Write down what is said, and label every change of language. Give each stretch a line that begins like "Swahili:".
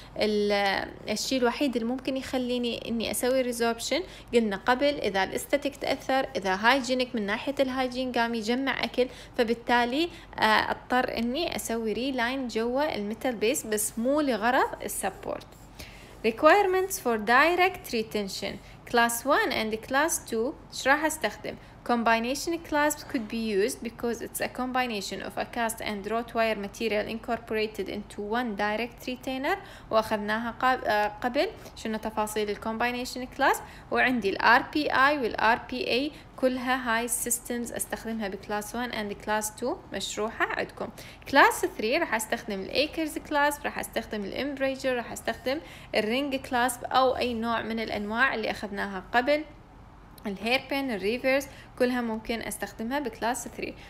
Arabic: الشيء الوحيد اللي ممكن يخليني إني أسوي ريزوربشن قلنا قبل إذا الاستاتيك تأثر، إذا هايجينيك من ناحية الهايجين قام يجمع أكل، فبالتالي أضطر أني أسوي ريلاين جوا الميتال بيس بس مو لغرض السبورت.
English: Requirements for direct retention class 1 and class 2
Arabic: ايش راح استخدم؟
English: Combination clasp could be used because it's a combination of a cast and wrought wire material incorporated into one direct retainer.
Arabic: واخذناها قبل شنو تفاصيل الكومباينيشن كلاسب، وعندي ال RPI وال RPA كلها هاي السيستمز استخدمها بكلاس 1 and class 2 مشروحة عندكم. كلاس 3 راح استخدم الايكرز كلاسب، راح استخدم الامبريجر، راح استخدم الرينج كلاسب او اي نوع من الانواع اللي اخذناها قبل، الهيربين، الريفرز، كلها ممكن استخدمها بكلاس 3.